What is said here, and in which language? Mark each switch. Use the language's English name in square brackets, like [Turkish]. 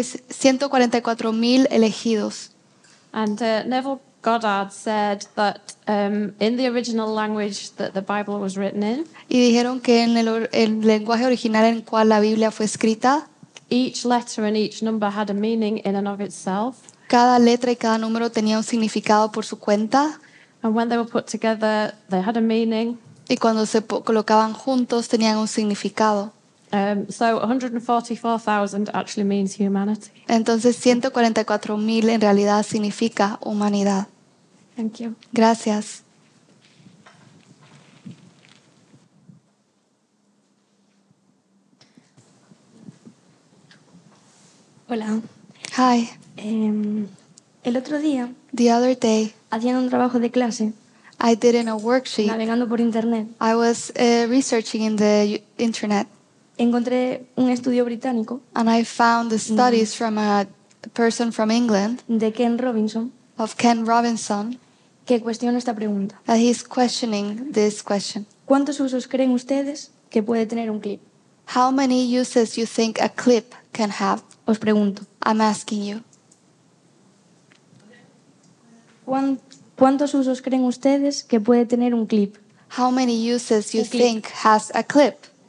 [Spanish] 144,000 elegidos. [English] And Neville Goddard said that in the original language that the Bible was written in. [Spanish] Y dijeron que en el lenguaje original en cual la Biblia fue escrita. [English] Each letter and each number had a meaning in and of itself. [Spanish] Cada letra y cada número tenía un significado por su cuenta. [English] And when they were put together, they had a meaning. [Spanish] Y cuando se colocaban juntos, tenían un significado. [English] So 144,000 actually means humanity. [Spanish] Entonces 144,000 en realidad significa humanidad. [English] Thank you. [Spanish] Gracias. Hola. [English] Hi. [Spanish] El otro día. [English] The other day. [Spanish] Haciendo un trabajo de clase. [English] I did in a worksheet. [Spanish] Navegando por internet. [English] I was researching in the internet. [Spanish] Encontré un estudio británico. [English] And I found the studies from a person from England. [Spanish] De Ken Robinson. [English] Of Ken Robinson. [Spanish] Que cuestiona esta pregunta. [English] That he's questioning this question. [Spanish] ¿Cuántos usos creen ustedes que puede tener un clip? [English] How many uses you think a clip can have? [Spanish] Os pregunto. [English] I'm asking you. [Spanish] ¿Cuántos usos creen ustedes que puede tener un clip? [English] How many uses you think has a clip?